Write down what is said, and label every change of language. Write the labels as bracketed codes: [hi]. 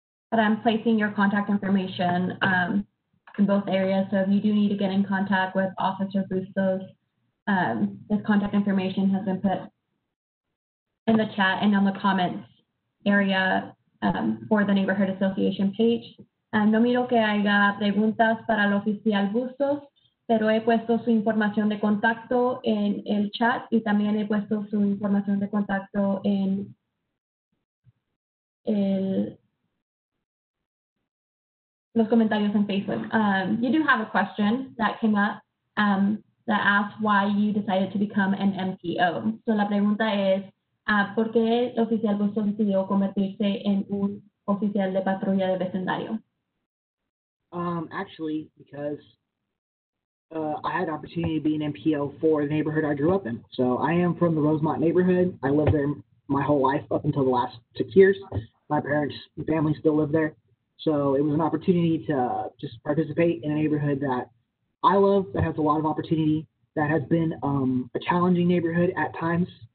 [en] But I'm placing your contact information in both areas. So if you do need to get in contact with Officer Bustos, this contact information has been put in the chat and on the comments area for the Neighborhood Association page. [es] No miro que haya preguntas para el oficial Bustos, pero he puesto su información de contacto en el chat y también he puesto su información de contacto en el, los comentarios en Facebook. [en] You do have a question that came up that asked why you decided to become an MPO. [es] So la pregunta es, ¿por qué el oficial Bustos decidió convertirse en un oficial de patrulla de vecindario? [en] Actually, because I had an opportunity to be an MPO for the neighborhood I grew up in. So I am from the Rosemont neighborhood. I lived there my whole life up until the last 6 years. My parents and family still live there. So it was an opportunity to just participate in a neighborhood that I love, that has a lot of opportunity, that has been a challenging neighborhood at times.